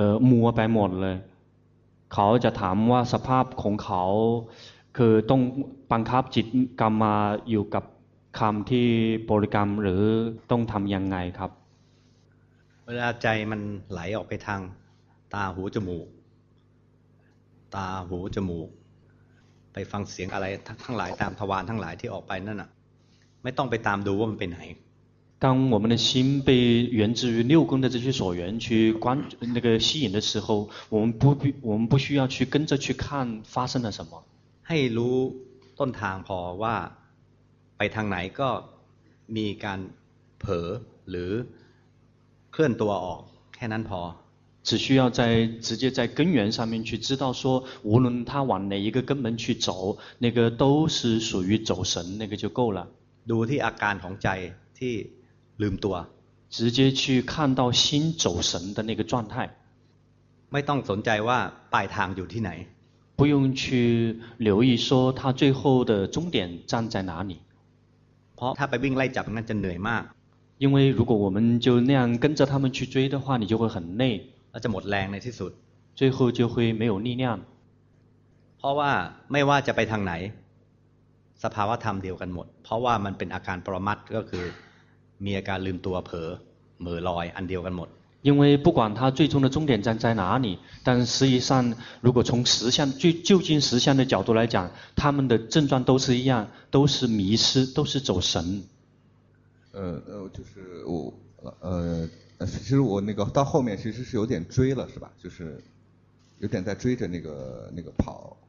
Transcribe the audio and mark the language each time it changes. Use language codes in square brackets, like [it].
[th] มัวไปหมดเลยเขาจะถามว่าสภาพของเขาคือต้องบังคับจิตกรรมมาอยู่กับคำที่บริกรรมหรือต้องทำยังไงครับ เวลาใจมันไหลออกไปทางตาหูจมูกตาหูจมูกไปฟังเสียงอะไรทั้งหลายตามทวารทั้งหลายที่ออกไปนั่นน่ะไม่ต้องไปตามดูว่ามันไปไหน [zh] 当我们的心被源自于六根的这些所缘去观那个吸引的时候我们不需要去跟着去看发生了什么 [th] ให้รู้ต้นทางพอว่าไปทางไหนก็มีการเผลอหรือเคลื่อนตัวออกแค่นั้นพอ [zh] 只需要在直接在根源上面去知道说无论他往哪一个根本去走那个都是属于走神那个就够了 [th] ดูที่อาการของใจที่ลืมตัว [zh] 直接去看到心走神的那个状态 [th] ไม่ต้องสนใจว่าปลายทางอยู่ที่ไหน [zh] 不用去留意说他最后的终点站在哪里 [th] เพราะถ้าไปวิ่งไล่จับงั้นจะเหนื่อยมาก [zh] 因为如果我们就那样跟着他们去追的话你就会很累 [th] แล้วจะหมดแรงในที่สุด [zh] 最后就会没有力量 [th] เพราะว่าไม่ว่าจะไปทางไหนสภาวะธรรมเดียวกันหมดเพราะว่ามันเป็นอาการปรมัตถ์ก็คือมีอาการลืมตัวเผลอเหม่อลอยอันเดียวกันหมด [zh] 因为不管它最终的终点站在哪里但实际上如果从实相究竟实相的角度来讲他们的症状都是一样都是迷失都是走神就是我其实我那个到后面其实是有点追了是吧就是有点在追着那个跑